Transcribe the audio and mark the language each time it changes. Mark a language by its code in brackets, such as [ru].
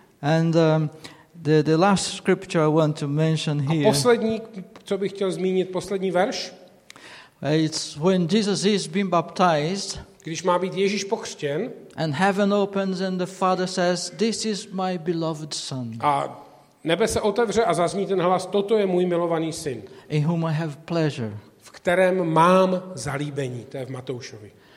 [en] And the last scripture I want to mention here. [cs] A poslední, co bych chtěl zmínit, poslední verš. [en] It's when Jesus is being baptized. [cs] Když má být Ježíš pokřtěn. [en] And heaven opens and the Father says, "This is my beloved son." [cs] A nebe se otevře a zazní ten hlas, toto je můj milovaný syn. [en] In whom I have pleasure. [cs] V kterém mám zalíbení, to je v Matoušovi.